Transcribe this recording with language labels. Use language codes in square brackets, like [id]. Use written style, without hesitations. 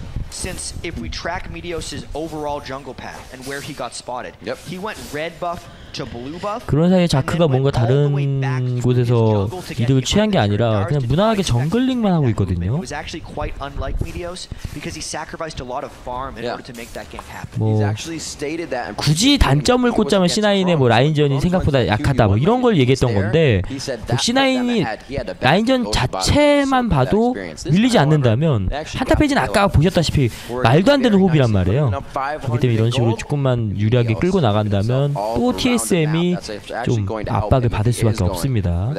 [en] Since if we track Meteos's overall jungle path and where he got spotted, yep. he went red buff to blue buff. [ko] 그런 사이에 자크가 뭔가 다른 곳에서 이득을 취한 게 아니라 그냥 무난하게 정글링만 하고 있거든요. [en] It was actually quite unlike Meteos because he sacrificed a lot of farm in order to make that gank happen. [ko] 뭐 굳이 단점을 꼽자면 C9의 뭐 라인전이 생각보다 약하다 뭐 이런 걸 얘기했던 건데 C9이 라인전 자체만 봐도 밀리지 않는다면 한타 페이지는 아까 보셨다시피. 말도 안 되는 호흡이란 말이에요. 그렇기 때문에 이런 식으로 조금만 유리하게 끌고 나간다면 또 TSM이 좀 압박을 받을 수밖에 없습니다.